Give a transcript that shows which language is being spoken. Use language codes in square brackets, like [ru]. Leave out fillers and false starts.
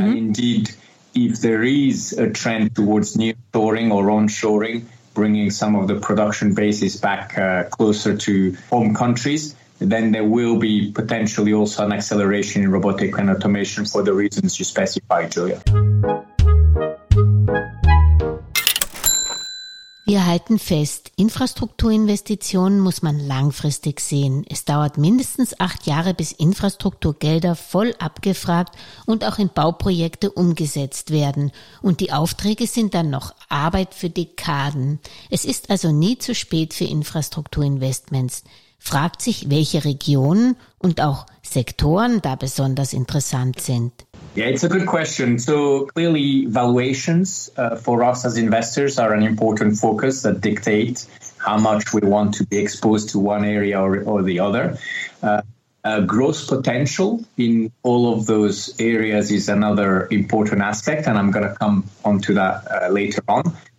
[en] And indeed, if there is a trend towards nearshoring or onshoring, bringing some of the production bases back closer to home countries, then there will be potentially also an acceleration in robotic and automation for the reasons you specified, Julia. [de] Wir halten fest, Infrastrukturinvestitionen muss man langfristig sehen. Es dauert mindestens 8 Jahre, bis Infrastrukturgelder voll abgefragt und auch in Bauprojekte umgesetzt werden. Und die Aufträge sind dann noch Arbeit für Dekaden. Es ist also nie zu spät für Infrastrukturinvestments. Fragt sich, welche Regionen und auch Sektoren da besonders interessant sind. [en] Yeah, it's a good question. So clearly, valuations for us as investors are an important focus that dictate how much we want to be exposed to one area or the other. Growth potential in all of those areas is another important aspect, and I'm going to come on to that later on.